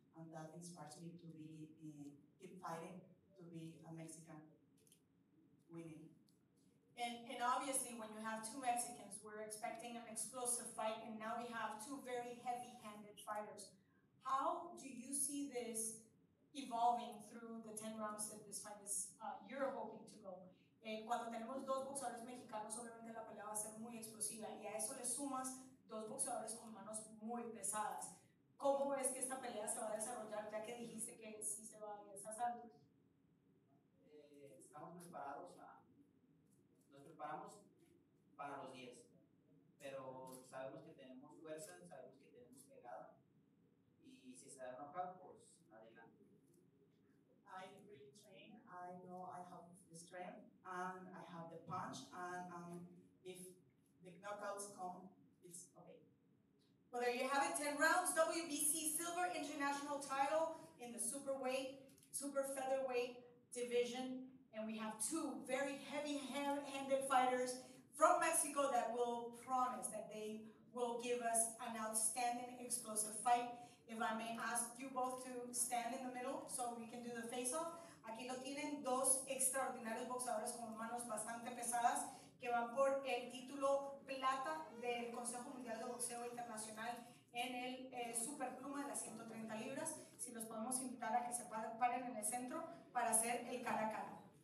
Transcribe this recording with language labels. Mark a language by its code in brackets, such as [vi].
[en] And that inspires me to be keep fighting, to be a Mexican winning. And obviously, when you have two Mexicans, we're expecting an explosive fight, and now we have two very heavy-handed fighters. How do you see this evolving through the 10 rounds that this fight is you're hoping to go? [es] Cuando tenemos dos boxeadores mexicanos, obviamente la pelea va a ser muy explosiva, y a eso le sumas dos boxeadores con manos muy pesadas. ¿Cómo ves que esta pelea se va a desarrollar, ya que dijiste que sí se va a ir a esas altas? Estamos preparados, nos preparamos para los 10, pero sabemos que tenemos fuerza, sabemos que tenemos pegada, y si se da knockout, pues adelante. [en] I really train, I know I have the strength, and I have the punch, and if the knockouts come, it's okay. Well, there you have it, 10 rounds, WBC Silver International title in the super featherweight division. And we have two very heavy-handed fighters from Mexico that will promise that they will give us an outstanding explosive fight. If I may ask you both to stand in the middle so we can do the face-off. [es] Aquí lo tienen dos extraordinarios boxeadores con manos bastante pesadas, que van por el título plata del Consejo Mundial de Boxeo Internacional en el superpluma de las 130 libras. Si los podemos invitar a que se paren en el centro para hacer el cara a cara.